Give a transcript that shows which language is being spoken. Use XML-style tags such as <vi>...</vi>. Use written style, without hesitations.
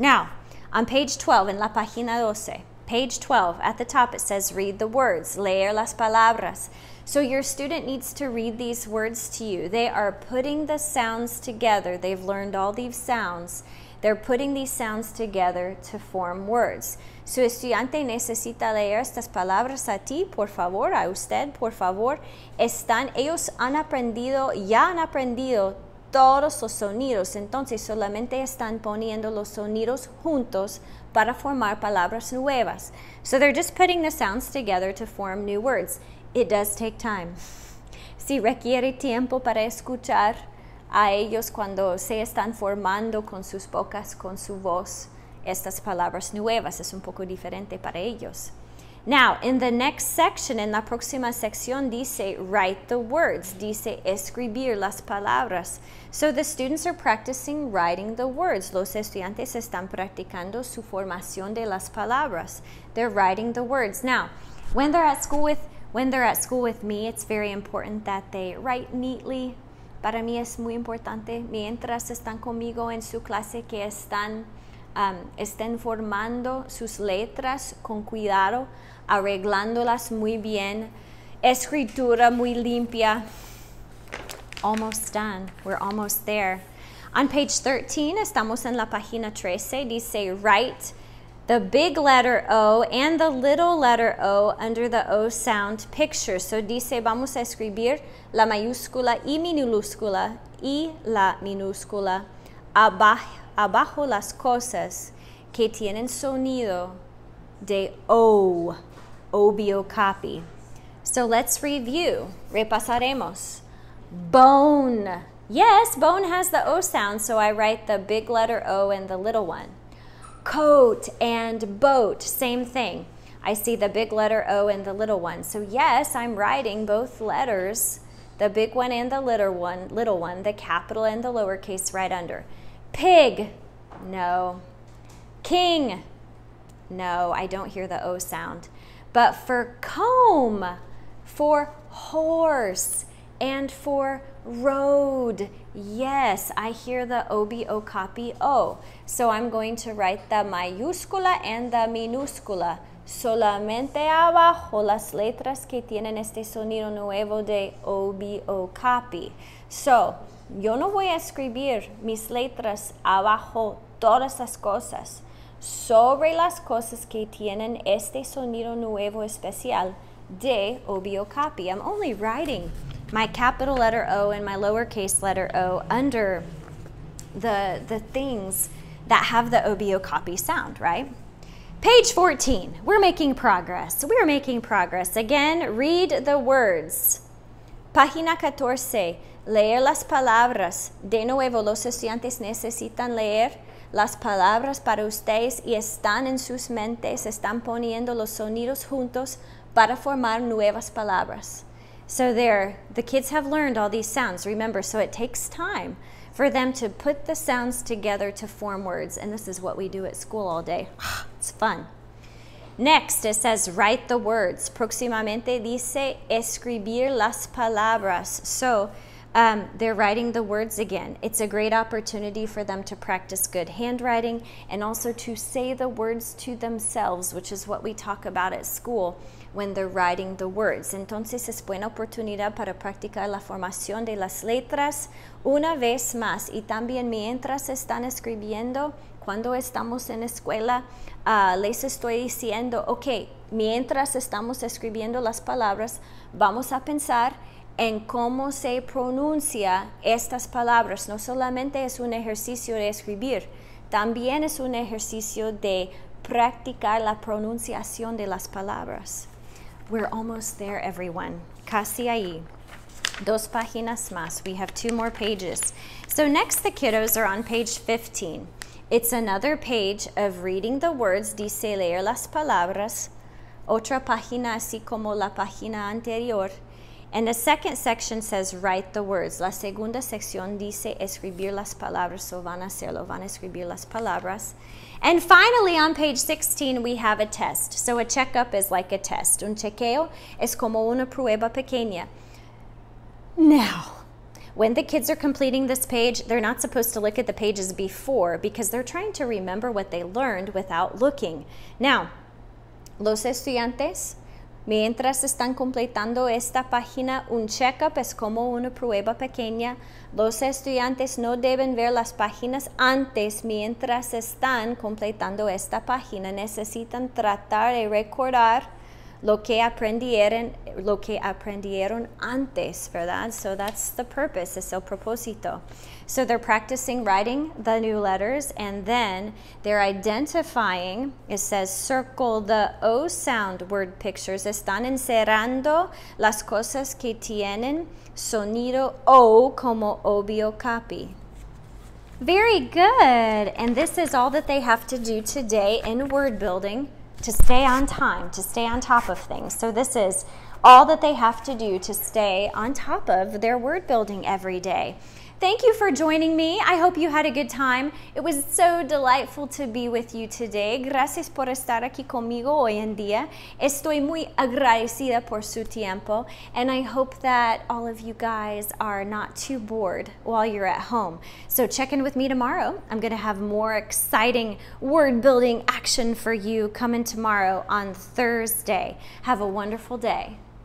<en>Now, on page 12,</en> <es>en la página 12,</es> <en>page 12, at the top it says read the words,</en> <es>leer las palabras.</es> <en>So your student needs to read these words to you. They are putting the sounds together. They've learned all these sounds. They're putting these sounds together to form words.</en> <es>Su estudiante necesita leer estas palabras a ti, por favor, a usted, por favor. Están, ellos han aprendido, ya han aprendido todos los sonidos. Entonces, solamente están poniendo los sonidos juntos para formar palabras nuevas.</es> <en>So they're just putting the sounds together to form new words. It does take time.</en> <es>Si requiere tiempo para escuchar a ellos cuando se están formando con sus bocas, con su voz, estas palabras nuevas, es un poco diferente para ellos.</es> <en>Now, in the next section,</en> <es>en la próxima sección, dice</es> <en>write the words,</en> <es>dice escribir las palabras.</es> <en>So the students are practicing writing the words.</en> <es>Los estudiantes están practicando su formación de las palabras.</es> <en>They're writing the words. Now, when they're at school with me, it's very important that they write neatly.</en> <es>Para mí es muy importante, mientras están conmigo en su clase, que estén formando sus letras con cuidado, arreglándolas muy bien, escritura muy limpia.</es> <en>Almost done. We're almost there. On page 13,</en> <es>estamos en la página 13,</es> <en>dice write the big letter O and the little letter O under the O sound picture.</en> <es>So dice, vamos a escribir la mayúscula y la minúscula abajo las cosas que tienen sonido de O, Obie, Okapi.</es> <en>So let's review. Repasaremos. Bone. Yes, bone has the O sound, so I write the big letter O and the little one. Coat and boat, same thing. I see the big letter O and the little one. So yes, I'm writing both letters, the big one and the little one, the capital and the lowercase right under. Pig, no. King, no, I don't hear the O sound. But for comb, for horse, and for road, yes, I hear the Obie, Okapi O. So I'm going to write the mayúscula and the minúscula.</en> <es>Solamente abajo las letras que tienen este sonido nuevo de Obie, Okapi. So, yo no voy a escribir mis letras abajo todas las cosas. Sobre las cosas que tienen este sonido nuevo especial de Obie, Okapi.</es> <en>I'm only writing my capital letter O and my lowercase letter O under the things that have the Obie, Okapi sound, right? Page 14, we're making progress. We're making progress. Again, read the words.</en> <es>Página 14, leer las palabras. De nuevo, los estudiantes necesitan leer las palabras para ustedes y están en sus mentes, están poniendo los sonidos juntos para formar nuevas palabras.</es> <en>So there, the kids have learned all these sounds. Remember, so it takes time for them to put the sounds together to form words. And this is what we do at school all day. It's fun. Next, it says write the words.</en> <es>Próximamente dice escribir las palabras.</es> <en>So They're writing the words again. It's a great opportunity for them to practice good handwriting and also to say the words to themselves, which is what we talk about at school when they're writing the words.</en> <es>Entonces es buena oportunidad para practicar la formación de las letras una vez más. Y también mientras están escribiendo, cuando estamos en escuela, les estoy diciendo, ok, mientras estamos escribiendo las palabras, vamos a pensar en cómo se pronuncia estas palabras. No solamente es un ejercicio de escribir, también es un ejercicio de practicar la pronunciación de las palabras.</es> <en>We're almost there, everyone.</en> <es>Casi ahí. Dos páginas más.</es> <en>We have two more pages. So next, the kiddos are on page 15. It's another page of reading the words,</en> <es>dice leer las palabras. Otra página, así como la página anterior.</es> <en>And the second section says write the words.</en> <es>La segunda sección dice escribir las palabras. So van a hacerlo, van a escribir las palabras.</es> <en>And finally, on page 16, we have a test. So a checkup is like a test.</en> <es>Un chequeo es como una prueba pequeña.</es> <en>Now, when the kids are completing this page, they're not supposed to look at the pages before because they're trying to remember what they learned without looking.</en> <es>Now, los estudiantes, mientras están completando esta página, un checkup es como una prueba pequeña. Los estudiantes no deben ver las páginas antes mientras están completando esta página. Necesitan tratar de recordar lo que aprendieron antes, ¿verdad?</es> <en>So that's the purpose,</en> <es>es el propósito.</es> <en>So they're practicing writing the new letters, and then they're identifying, it says circle the O sound word pictures.</en> <es>Están encerrando las cosas que tienen sonido O como Obie Okapi.</es> <en>Very good. And this is all that they have to do today in word building to stay on time, to stay on top of things. So this is all that they have to do to stay on top of their word building every day. Thank you for joining me. I hope you had a good time. It was so delightful to be with you today.</en> <es>Gracias por estar aquí conmigo hoy en día. Estoy muy agradecida por su tiempo.</es> <en>And I hope that all of you guys are not too bored while you're at home. So check in with me tomorrow. I'm going to have more exciting word building action for you coming tomorrow on Thursday. Have a wonderful day.</en>